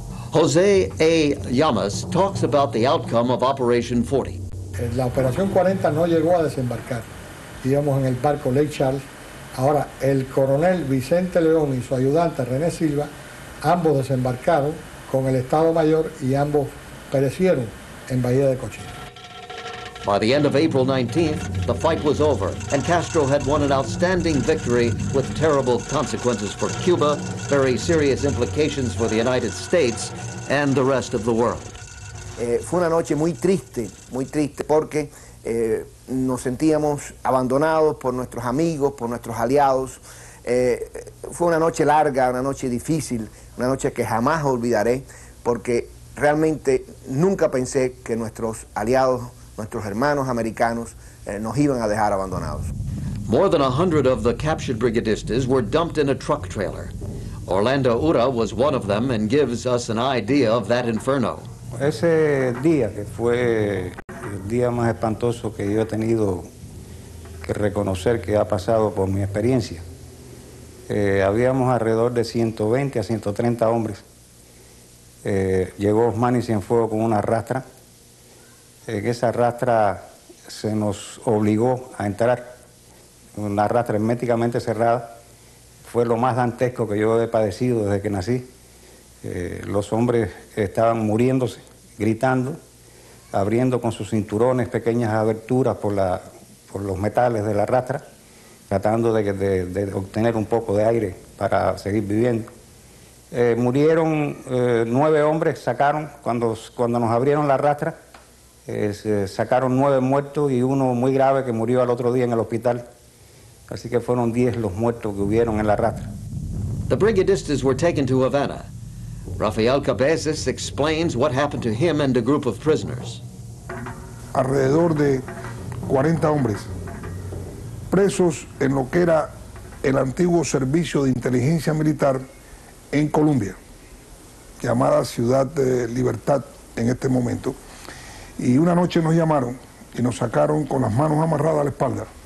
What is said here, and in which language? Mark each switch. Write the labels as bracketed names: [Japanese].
[English] José A. Llamas talks about the outcome of Operation 40. [Spanish] La Operación 40 no llegó a desembarcar, íbamos en el barco Lake Charles. Ahora, el coronel Vicente León y su ayudante René Silva, ambos desembarcaron con el Estado Mayor y ambos perecieron en Bahía de Cochinos. [English] By the end of April 19th, the fight was over, and Castro had won an outstanding victory with terrible consequences for Cuba, very serious implications for the United States, and the rest of the world. [Spanish] Fue una noche muy triste, porque nos sentíamos abandonados por nuestros amigos, por nuestros aliados. Fue una noche larga, una noche difícil, una noche que jamás olvidaré, porque realmente nunca pensé que nuestros aliados, nuestros hermanos americanos, nos iban a dejar abandonados. [English] More than 100 of the captured brigadistas were dumped in a truck trailer. Orlando Ura was one of them and gives us an idea of that inferno. [Spanish] Ese día, que fue el día más espantoso que yo he tenido que reconocer que ha pasado por mi experiencia, habíamos alrededor de 120 a 130 hombres. Llegó Osmani Cienfuegos con una rastra. En esa rastra se nos obligó a entrar, una rastra herméticamente cerrada. Fue lo más dantesco que yo he padecido desde que nací. Los hombres estaban muriéndose, gritando, abriendo con sus cinturones pequeñas aberturas por los metales de la rastra, tratando de obtener un poco de aire para seguir viviendo. Murieron 9 hombres, sacaron, cuando nos abrieron la rastra, sacaron 9 muertos y uno muy grave que murió al otro día en el hospital. Así que fueron 10 los muertos que hubieron en la rastra. [English] The brigadistas were taken to Havana. Rafael Cabezas explains what happened to him and a group of prisoners. [Spanish] Alrededor de 40 hombres presos en lo que era el antiguo servicio de inteligencia militar en Colombia, llamada Ciudad de Libertad en este momento. Y una noche nos llamaron y nos sacaron con las manos amarradas a la espalda.